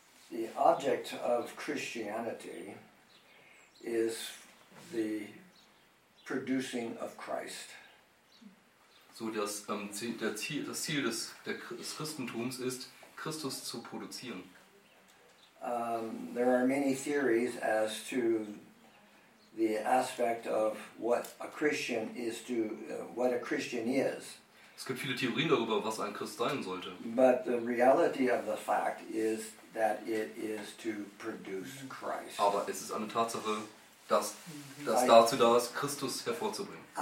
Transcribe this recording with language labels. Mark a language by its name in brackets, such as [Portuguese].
[English] The object of Christianity is the producing of Christ. [German] So das Ziel des Christentums ist, Christus zu produzieren. [English] There are many theories as to the aspect of what a Christian is to what a Christian is. [German] Es gibt viele Theorien darüber, was ein Christ sein sollte. [English] But the reality of the fact is that it is to produce Christ. [German] Aber es ist eine Tatsache, dass dazu da ist, Christus hervorzubringen.